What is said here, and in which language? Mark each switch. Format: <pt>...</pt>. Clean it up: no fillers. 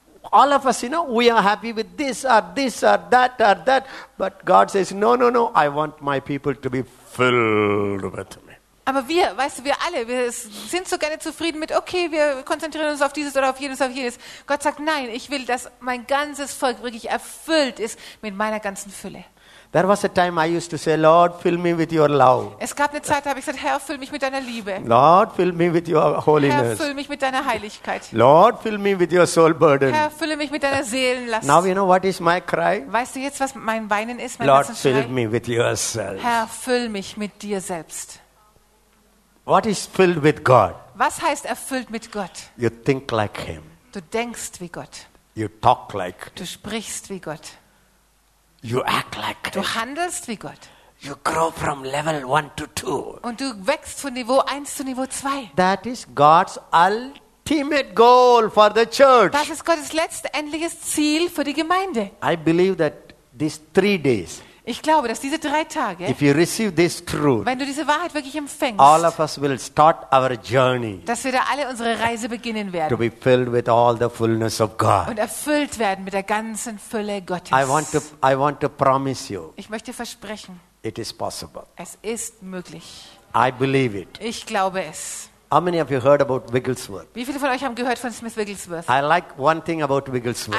<en>All of us, you know, we are happy with this or that. But God says, no. I want my people to be filled with me.</en> <de>Aber wir, weißt du, wir alle, wir sind so gerne zufrieden mit. Okay, wir konzentrieren uns auf dieses oder auf jenes. Gott sagt, nein, ich will, dass mein ganzes Volk wirklich erfüllt ist mit meiner ganzen Fülle.</de> <en>There was a time I used to say, Lord, fill me with your love.</en> <de>Es gab eine Zeit, da habe ich gesagt, Herr, füll mich mit deiner Liebe.</de> <en>Lord, fill me with your holiness.</en> <de>Herr, füll mich mit deiner Heiligkeit.</de> <en>Lord, fill me with your soul burden.</en> <de>Herr, fülle mich mit deiner Seelenlast.</de> <en>Now you know what is my cry?</en> <de>Weißt du jetzt, was mein Weinen ist, mein</de> <en>Lord, fill me with yourself.</en> <de>Herr, füll mich mit dir selbst.</de> <en>What is filled with God?</en> <de>Was heißt erfüllt mit Gott?</de> <en>You think like him.</en> <de>Du denkst wie Gott.</de> <en>You talk like</en> <de>du sprichst wie Gott.</de> <en>You act like</en> <de>du handelst wie Gott.</de> <en>You grow from level 1 to 2.</en> <de>Und du wächst von Niveau 1 zu Niveau 2.</de> <en>That is God's ultimate goal for the church.</en> <de>Das ist Gottes letztendliches Ziel für die Gemeinde.</de> <en>I believe that these 3 days.</en> <de>Ich glaube, dass diese 3 Tage,</de> <en>if you receive this truth,</en> <de>wenn du diese Wahrheit wirklich empfängst,</de> <en>all of us will start our journey,</en> <de>dass wir da alle unsere Reise beginnen werden,</de> <en>to be filled with all the fullness of God.</en> <de>Und erfüllt werden mit der ganzen Fülle Gottes.</de> <en>I want to promise you,</en> <de>ich möchte versprechen,</de> <en>it is possible.</en> <de>Es ist möglich.</de> <en>I believe it.</en> <de>Ich glaube es.</de> <en>How many of you heard about Wigglesworth?</en> <de>Wie viele von euch haben gehört von Smith Wigglesworth?</de> <en>I like one thing about Wigglesworth.</en>